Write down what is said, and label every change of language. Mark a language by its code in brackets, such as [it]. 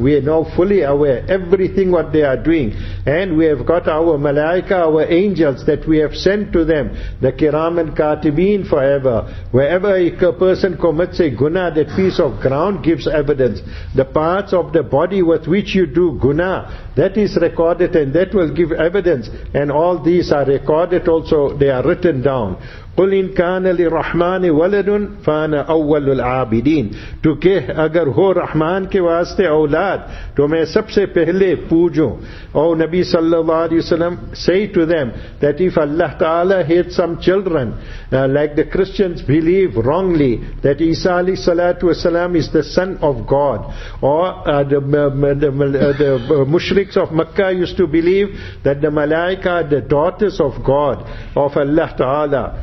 [en] We are now fully aware everything what they are doing, and we have got our malaika, our angels that we have sent to them, the kiram and katibin forever. Wherever a person commits a guna, that piece of ground gives evidence. The parts of the body with which you do guna, that is recorded, and that will give evidence. And all these are recorded also, they are written down. [ar] قُلْ إِن كَانَ لِلرَّحْمَانِ وَلَدٌ فَأَنَا أَوَّلُ الْعَابِدِينَ, [ur] تو کہ اگر ہو رحمان کے واسطے اولاد تو میں سب سے پہلے پوجوں. [en] او نبی صلی اللہ علیہ وسلم, say to them that if Allah Ta'ala had some children, like the Christians believe wrongly that Isa alayhi salatu wasalam is the son of God, or the mushriks of Makkah used to believe that the malaika are the daughters of God, of Allah Ta'ala.